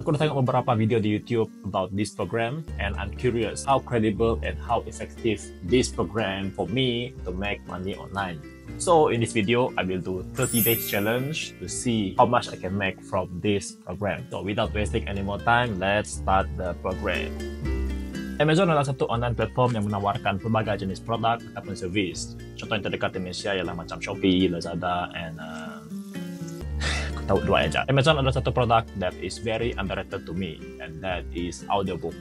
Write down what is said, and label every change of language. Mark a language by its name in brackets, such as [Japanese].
[Malay] Aku dah tengok beberapa video di YouTube [English] about this program, and I'm curious how credible and how effective this program for me to make money online. So in this video, I will do 30 days challenge to see how much I can make from this program. So without wasting any more time, let's start the program. [Malay] Amazon adalah satu online platform yang menawarkan berbagai jenis produk ataupun service. Contoh yang terdekat di Indonesia ialah macam Shopee, Lazada, and tahu dua aja. [English] Amazon [Malay] adalah satu produk [English] that is very underrated to me, and that is Audiobook.